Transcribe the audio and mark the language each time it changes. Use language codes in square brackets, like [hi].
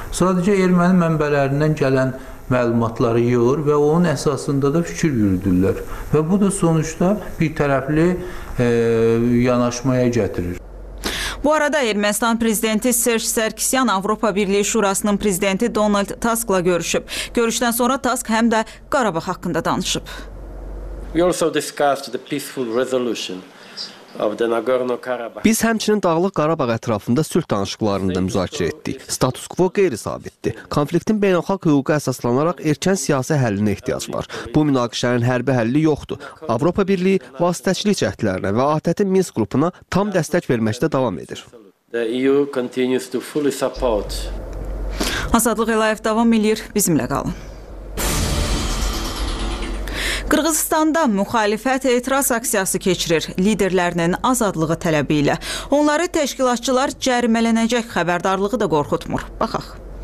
[az] Sadəcə erməni mənbələrindən gələn məlumatları yığır və onun əsasında da fikir yürüdürlər. Və bu da sonuçda bir tərəfli yanaşmaya gətirir. Bu arada Ermənistan prezidenti Serj Sarkisyan Avropa Birliyi Şurasının prezidenti Donald Tuskla görüşüb. Görüşdən sonra Tusk həm də Qarabağ haqqında danışıb. [en] We also discussed the peaceful resolution of the Nagorno-Karabakh. [az] Biz həmçinin Dağlıq Qarabağ ətrafında sülh danışıqlarında müzakirə etdik. Status quo qeyri-sabitdir. Konfliktin beynəlxalq hüquqa əsaslanaraq erkən siyasi həllinə ehtiyac var. Bu münaqişənin hərbi həlli yoxdur. Avropa Birliyi vasitəçilik cəhdlərinə və ATƏT-in Minsk qrupuna tam dəstək verməkdə davam edir. [en] The EU continues to fully support. [az] Azadlıq Əliyev davam edir. Bizimlə qalın. Qırğızıstanda müxalifət etiraz aksiyası keçirir liderlərinin azadlığı tələbi ilə. Onları təşkilatçılar cərimələnəcək xəbərdarlığı da qorxutmur. Baxaq.